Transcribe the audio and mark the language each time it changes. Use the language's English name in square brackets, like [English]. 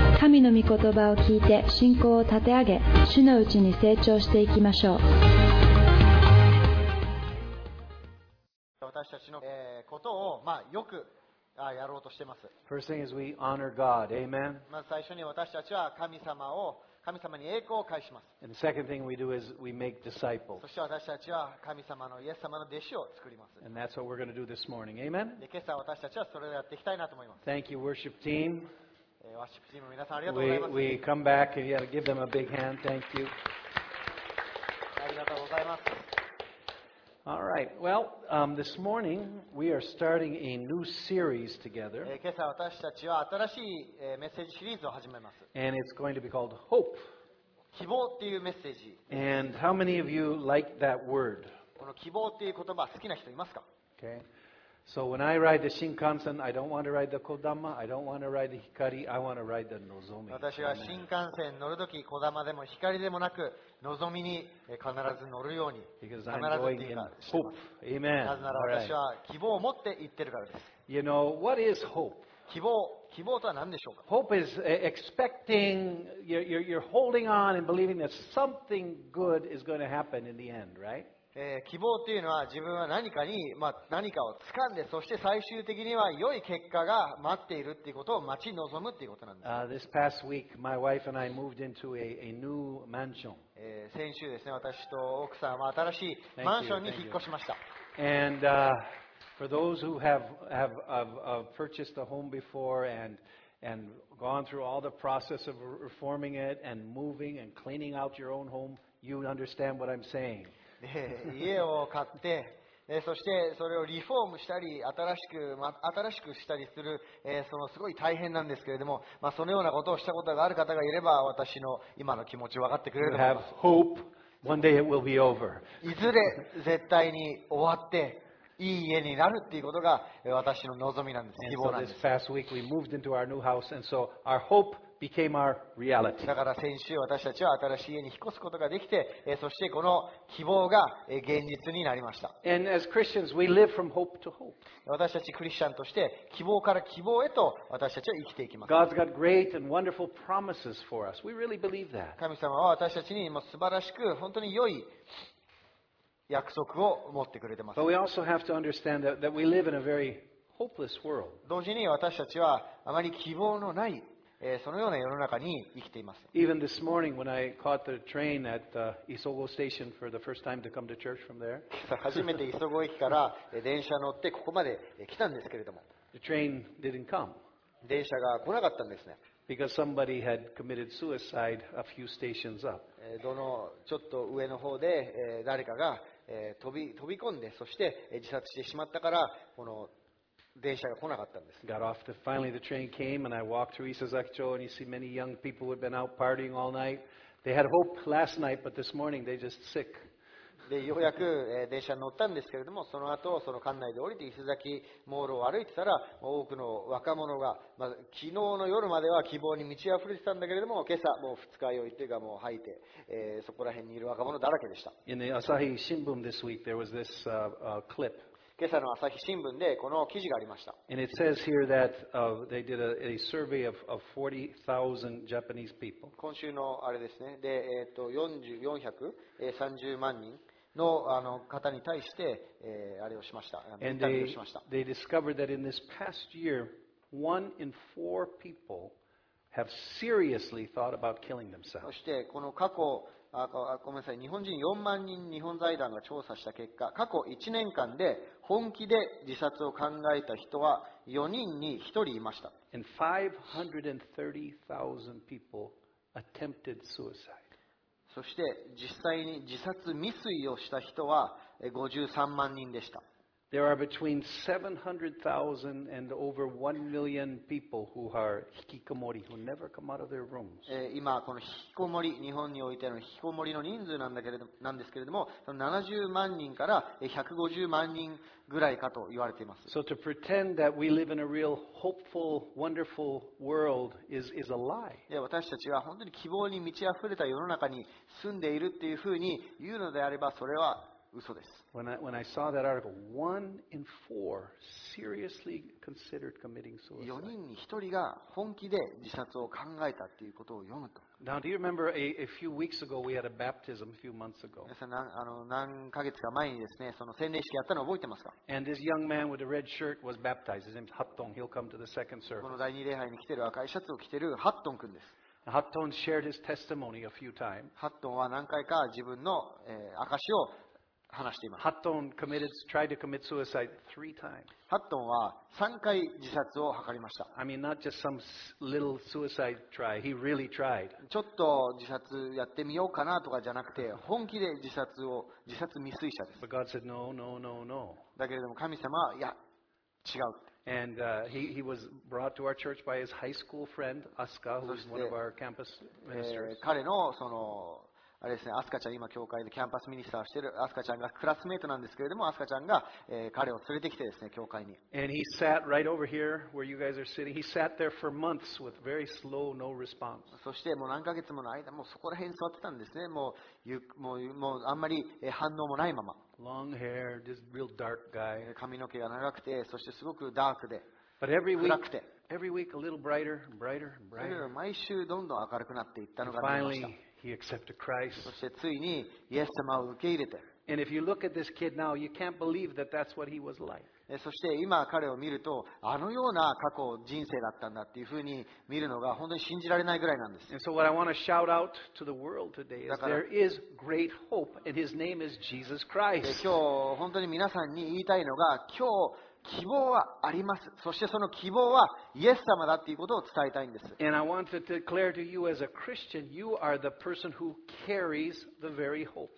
[Japanese] 神の御言葉を聞いて信仰を立て上げ、主のうちに成長していきましょう。私たちの、ことを、まあ、よくやろうとしています。 [English] First thing is we honor God. Amen. [Japanese] まず最初に私たちは神様に栄光を返します。 [English] And the second thing we do is we make disciples. [Japanese] そして私たちは神様のイエス様の弟子を作ります。 [English] And that's what we're going to do this morning. Amen. [Japanese] で、今朝私たちはそれをやっていきたいなと思います。 [English] Thank you, worship team. [Japanese] ワーシップチーム皆さんありがとうございます。 [English] We come back and yeah, give them a big hand. Thank you. [Japanese] ありがとうございます。 [English] All right. Well, this morning we are starting a new series together. [Japanese] 今朝私たちは新しいメッセージシリーズを始めます。 [English] And it's going to be called Hope. [Japanese] 希望っていうメッセージ。 [English] And how many of you like that word? [Japanese] この希望っていう言葉好きな人いますか? [English] Okay. So when I ride the Shinkansen, I don't want to ride the Kodama. I don't want to ride the Hikari. I want to ride the Nozomi. [Japanese] 私は新幹線乗るとき、Kodama でも Hikari でもなく。のぞみに必ず乗るように必ずっていうかしてます。なぜなら私は希望を持って行ってるからです。 [English] You know, what is hope? [Japanese] 希望とは何でしょうか。 [English] Hope is expecting you're holding on and believing that something good is going to happen in the end, right? [Japanese] 希望っていうのは自分は何かに、まあ、何かを掴んで、そして最終的には良い結果が待っているっていうことを待ち望むっていうことなんです。 [English] This past week, my wife and I moved into a new mansion. [Japanese] 先週ですね、私と奥さんは新しいマンションに引っ越しました。 [English] And for those who have purchased a home before and gone through all the process of reforming it and moving and cleaning out your own home, you understand what I'm saying. [Japanese] 家を買って、そしてそれをリフォームしたり新しくしたりする、そのすごい大変なんですけれども、まあ、そのようなことをしたことがある方がいれば私の今の気持ちを分かってくれると思います。 [English] You have hope. One day it will be over. [Japanese] いずれ絶対に終わっていい家になるっていうことが私の望みなんです。希望なんです。 [English] So this past week we moved into our new house and so our hopeBecame our reality. [Japanese] だから先週私たちは新しい家に引っ越すことができて、そしてこの希望が現実になりました。 [English] And as Christians, we live from hope to hope. [Japanese] 私たちクリスチャンとして希望から希望へと私たちは生きていきます。 [English] God's got great and wonderful promises for us. We really believe that. [Japanese] 神様は私たちに素晴らしく本当に良い約束を持ってくれてます。 [English] But we also have to understand that we live in a very hopeless world. [Japanese] 同時に私たちはあまり希望のないそのような世の中に生きています。 [English] Even this morning when I caught the train at Isogo station for the first time to come to church from there. [Japanese] 初めて磯子駅から電車乗ってここまで来たんですけれども。 [English] The train didn't come. [Japanese] 電車が来なかったんですね。 [English] Because somebody had committed suicide a few stations up. [Japanese] どのちょっと上の方で誰かが飛び込んで、そして自殺してしまったから、この電車が来なかったんです。 [English] Got off the finally the train came and I walked through Isazaki-cho and you see many young people who had been out partying all night. They had hope last night, but this morning they just sick. [Japanese] でようやく電車に乗ったんですけれども、その後その館内で降りて伊勢崎モールを歩いてたら、多くの若者が、まあ、昨日の夜までは希望に満ち溢れてたんだけれども、今朝もう二日酔いというかもう吐いて、そこら辺にいる若者だらけでした。 [English] In the Asahi Shimbun this week there was this clip. [Japanese] 今朝の朝日新聞でこの記事がありました。 [English] And it says here that they did a survey of 40,000 Japanese people. [Japanese] 今週のあれですね。で、430万人の方に対して、あれをしました。 [English] And they discovered that in this past year, one in four people have seriously thought about killing themselves. [Japanese] そしてこの過去ごめんなさい、日本人4万人日本財団が調査した結果、過去1年間で本気で自殺を考えた人は4人に1人いました。 [English] And 530,000 people attempted suicide. [Japanese] そして実際に自殺未遂をした人は53万人でした。 [English] There are between 700,000 and over 1 million people who are 引きこもり who never come out of their rooms. [Japanese] 今この引きこもり、日本においての引きこもりの人数なんですけれども、70万人から150万人ぐらいかと言われています。 [English] So to pretend that we live in a real hopeful, wonderful world is a lie. [Japanese] 私たちは本当に希望に満ち溢れた世の中に住んでいるっていうふうに言うのであれば、それは嘘です。 [English] When I saw that article, one in four seriously considered committing suicide. [Japanese] 4人に1人が本気で自殺を考えたっていうことを読むと。 [English] Now, do you remember a few weeks ago we had a baptism a few months ago? [Japanese] 皆さん、何ヶ月か前にですね、その洗礼式やったの覚えてますか [English] ？And this young man with the red shirt was baptized. His name is Hatton. He'll come to the second service. [Japanese] この第二礼拝に来てる赤いシャツを着てるハットン君です。 [English] Hatton shared his testimony a few times. [Japanese] Hatton は何回か自分の証しを話しています。 [English] Hatton tried to commit suicide three times. [Japanese] Hatton は3回自殺を図りました。 [English] I mean, not just some little suicide try. He really tried. [Japanese] ちょっと自殺やってみようかなとかじゃなくて、本気で自殺未遂者です。 [English] But God said, no, no, no, no. [Japanese] だけれども神様は、いや、違う。 [English] And he was brought to our church by his high school friend, Asuka, who is one of our campus ministers. [Japanese] 彼のそのあれですね、アスカちゃん今教会でキャンパスミニスターをしているアスカちゃんがクラスメートなんですけれども、アスカちゃんが、彼を連れてきてですね、教会に。 [English] And he sat right over here where you guys are sitting. He sat there for months with very slow, no response. [Japanese] そしてもう何ヶ月もの間、もうそこら辺座ってたんですね。もうあんまり反応もないまま。 [English] Long hair, this real dark guy. [Japanese] 髪の毛が長くて、そしてすごくダークで、 [English] But every week, [Japanese] 暗くて。 [English] Every week a little brighter, brighter, brighter. [Japanese] 毎週どんどん明るくなっていったのが見えました。 [English] He accepted Christ. [Japanese] そしてついにイエス様を受け入れて。 [English] And if you look at this kid now, you can't believe that that's what he was like. [Japanese] そして今彼を見ると、あのような過去人生だったんだっていうふうに見るのが本当に信じられないぐらいなんです。 [English] And so what I want to shout out to the world today is there is great hope, and his name is Jesus Christ. [Japanese] 今日本当に皆さんに言いたいのが、今日希望はあります。そしてその希望はイエス様だということを伝えたいんです。 [English] And I want to declare to you as a Christian, you are the person who carries the very hope.